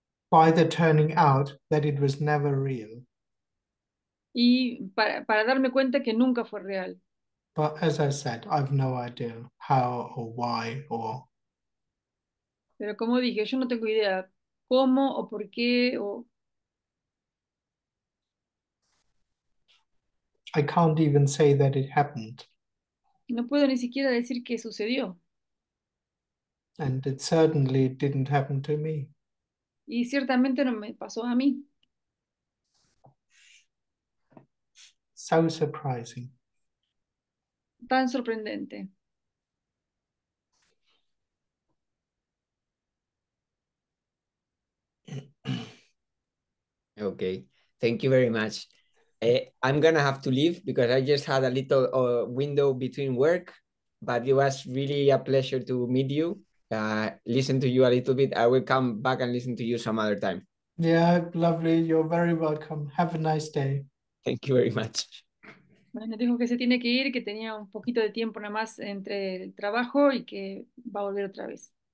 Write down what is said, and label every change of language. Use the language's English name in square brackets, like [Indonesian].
[English] by the turning out that it was never real. [Spanish] y para darme cuenta que nunca fue real. [English] But as I said, I've no idea how or why or [Spanish] Pero como dije, yo no tengo idea cómo o por qué o [English] I can't even say that it happened. [Spanish] no puedo ni siquiera decir qué sucedió. [English] And it certainly didn't happen to me. [Spanish] Y ciertamente no me pasó a mí. [English] So surprising. [Spanish] Tan sorprendente. [English] Okay, thank you very much. I'm gonna have to leave because I just had a little window between work, but it was really a pleasure to meet you, listen to you a little bit. I will come back and listen to you some other time. Yeah, lovely. You're very welcome. Have a nice day. Thank you very much. [Spanish] Bueno, dijo que se tiene que ir, que tenía un poquito de tiempo nada más entre el trabajo y que va a volver otra vez.